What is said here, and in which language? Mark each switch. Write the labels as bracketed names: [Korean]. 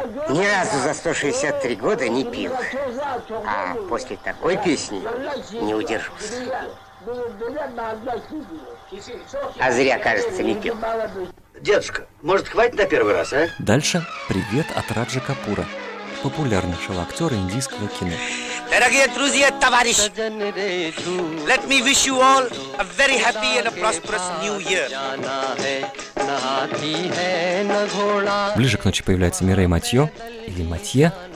[Russian] Ни разу за 163 года не пил, а после такой песни не удержусь. А зря, кажется, не пил. Дедушка, может, хватит на первый раз, а? Дальше привет от Раджа Капура, популярнейшего актера индийского кино. Дорогие друзья, товарищи, [English] let me wish you all a very happy and a prosperous new year. [Russian] Ближе к ночи появляется Мирей Матье или Матье.